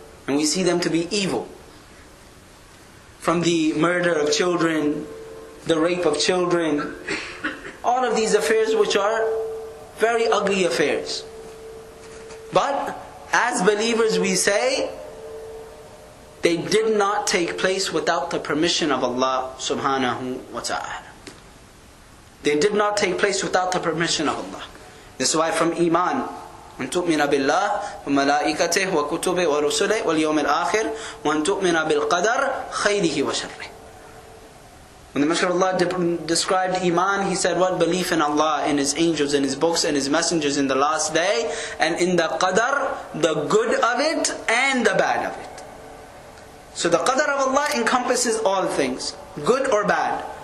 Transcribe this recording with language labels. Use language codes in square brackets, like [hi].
[en] And we see them to be evil. From the murder of children, the rape of children, all of these affairs which are very ugly affairs. But as believers we say, they did not take place without the permission of Allah subhanahu wa ta'ala. They did not take place without the permission of Allah. This is why from iman, [ar] وَنْ تُؤْمِنَ بِاللَّهِ وَمَلَائِكَتِهِ وَكُتُبِهِ وَرُسُلِهِ وَالْيَوْمِ الْآخِرِ وَنْ تُؤْمِنَ بِالْقَدَرِ خَيْرِهِ وَشَرِّهِ. [en] When the Messenger of Allah described iman, he said, what belief in Allah, in His angels, in His books, in His messengers, in the last day, and in the qadr, the good of it and the bad of it. So the qadr of Allah encompasses all things, good or bad.